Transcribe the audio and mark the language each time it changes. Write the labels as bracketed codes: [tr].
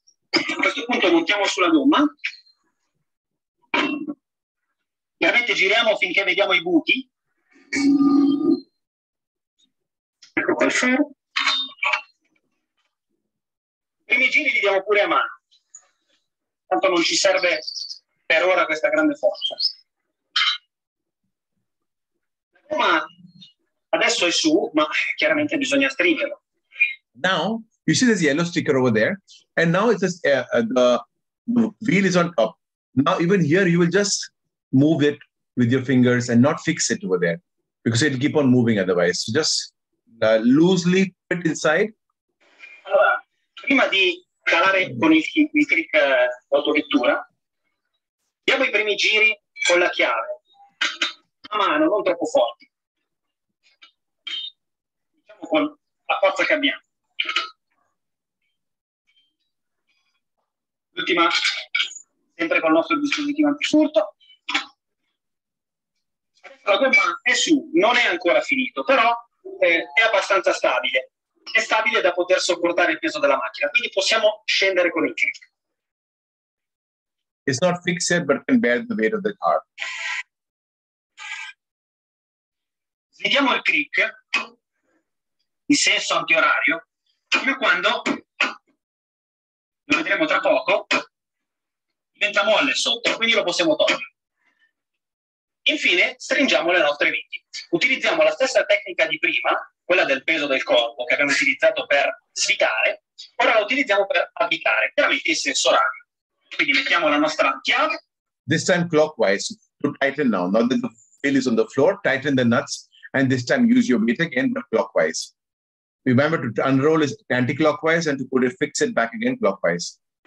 [it] A questo punto montiamo sulla gomma, chiaramente giriamo finché vediamo i buchi, ecco qua il ferro, i primi giri li diamo pure a mano, tanto non ci serve per ora questa grande forza. La gomma adesso è su, ma chiaramente bisogna stringerlo. [en] Now, you see this yellow sticker over there? And now it's just the wheel is on top. Now, even here, you will just move it with your fingers and not fix it over there because it'll keep on moving otherwise. So just loosely put it inside. [it] Allora, prima di calare con il click autovettura, diamo I primi giri con la chiave. A mano, non troppo forte. Diciamo con la forza che abbiamo. L'ultima, sempre con il nostro dispositivo antifurto. La gomma è su, non è ancora finito, però è abbastanza stabile. È stabile da poter sopportare il peso della macchina, quindi possiamo scendere con il click. [en] It's not fixed, but can bear the weight of the car. [it] Svitiamo il click. in senso antiorario, proprio quando, lo vedremo tra poco, diventa molle sotto, quindi lo possiamo togliere. Infine, stringiamo le nostre viti. Utilizziamo la stessa tecnica di prima, quella del peso del corpo che abbiamo utilizzato per svitare, ora la utilizziamo per abitare, chiaramente in senso orario. Quindi mettiamo la nostra chiave. [en] This time clockwise, to tighten now. Now that the veil is on the floor, tighten the nuts, and this time use your weight again, but clockwise. Remember to unroll it anti-clockwise and to put it, fix it back again clockwise.